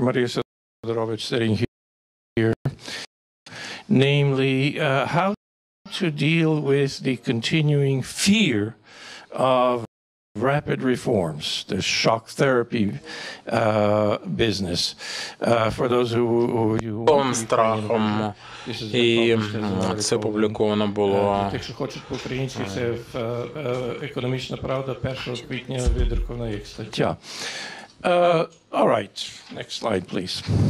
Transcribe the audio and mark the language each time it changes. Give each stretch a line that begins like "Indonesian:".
English: Maria Sidorovich sitting here, namely how to deal with the continuing fear of rapid reforms, the shock therapy business. For those who
Ukrainian: повним страхом, і це опубліковано було. Якщо хочуть по-українськи, це економічна правда 1 квітня видрукована як стаття.
English: All right, next slide, please.